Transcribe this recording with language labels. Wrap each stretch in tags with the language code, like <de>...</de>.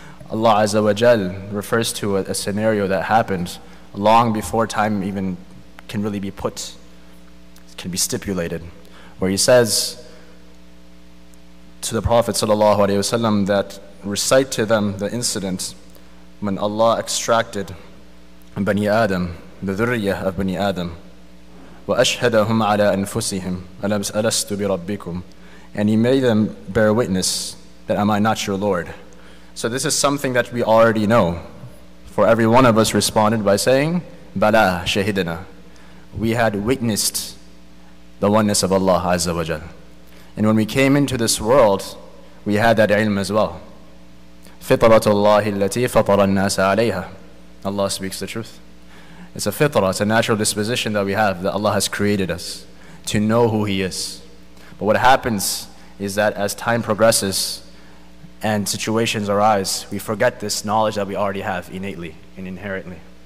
<en>Allah Azza wa Jal refers to a scenario that happened long before time even can really be put, can be stipulated, where he says to the Prophet sallallahu alaihi wasallam that recite to them the incident when Allah extracted Bani Adam, the dhurriyah of Bani Adam,</en> <ar>wa ashhadahum ala anfusihim alastu bi rabbikum,</ar> <en>and he made them bear witness that am I not your Lord. So this is something that we already know. For every one of us responded by saying,</en> <ar>Bala shahidana.</ar> <en>We had witnessed the oneness of Allah Azza wa Jal. And when we came into this world, we had that ilm as well.</en> <ar>فطرت الله التي فطر الناس عليها.</ar> <en>Allah speaks the truth. It's a fitra, it's a natural disposition that we have, that Allah has created us to know who He is. But what happens is that as time progresses and situations arise, we forget this knowledge that we already have innately and inherently.</en>